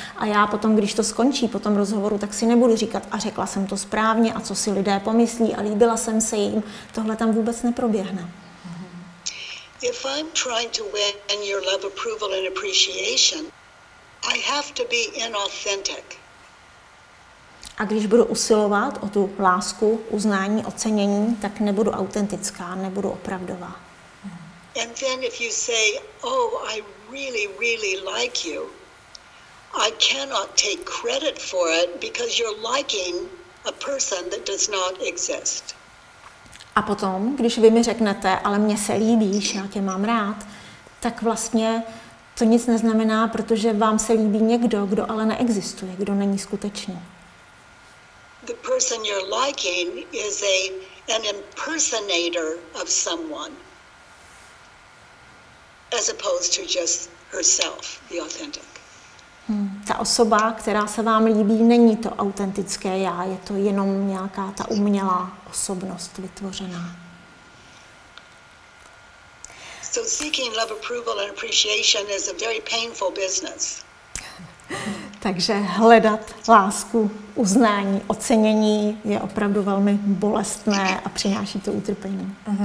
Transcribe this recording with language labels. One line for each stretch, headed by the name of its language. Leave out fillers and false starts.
Czech: A já potom, když to skončí po tom rozhovoru, tak si nebudu říkat a řekla jsem to správně a co si lidé pomyslí a líbila jsem se jim, tohle tam vůbec neproběhne.
English: If I'm trying to win your love, approval, and appreciation, I have to be inauthentic.
Czech: A když budu usilovat o tu lásku, uznání, ocenění, tak nebudu autentická, nebudu opravdová.
English: And then if you say, oh, I really, really like you, I cannot take credit for it because you're liking a person that does not exist.
Czech: A potom, když vy mi řeknete, ale mě se líbíš, já tě mám rád, tak vlastně to nic neznamená, protože vám se líbí někdo, kdo ale neexistuje, kdo není skutečný.
English: The person you're liking is an impersonator of someone, as opposed to just herself, the authentic.
Czech: Ta osoba, která se vám líbí, není to autentické já, je to jenom nějaká ta umělá osobnost vytvořená.
English: So seeking love, approval and appreciation is a very painful business.
Czech: Takže hledat lásku, uznání, ocenění je opravdu velmi bolestné a přináší to utrpení.